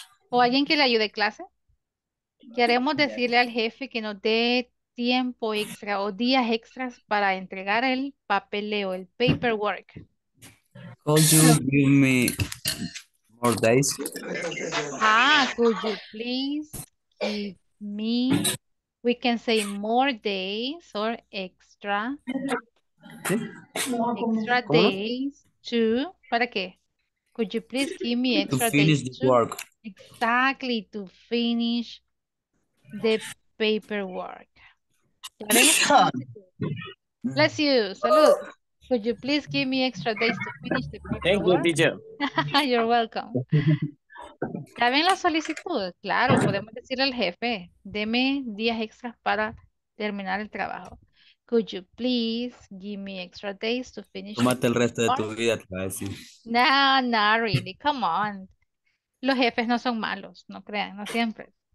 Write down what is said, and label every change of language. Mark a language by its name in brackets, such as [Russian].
[Spanish] O alguien que le ayude clase. Queremos decirle al jefe que nos dé tiempo extra o días extras para entregar el papeleo, el paperwork. [English] Could you give me more days? Ah, could you please give me, we can say more days or extra. [Spanish] ¿Sí? Extra ¿cómo? [English] Days to, [Spanish] ¿para qué? [English] Could you please give me extra to finish days the work. To, exactly, to finish the paperwork. Bless you. Salud. Could you please give me extra days to finish the paperwork? Thank you, teacher. You're welcome. [Spanish] ¿Ya ven la solicitud? Claro, podemos decirle al jefe, deme días extras para terminar el trabajo. [English] Could you please give me extra days to finish? [Spanish] Tómate el resto de tu vida, te voy a decir. [English] No, not really. Come on. [Spanish] Los jefes no son malos, no crean, no siempre.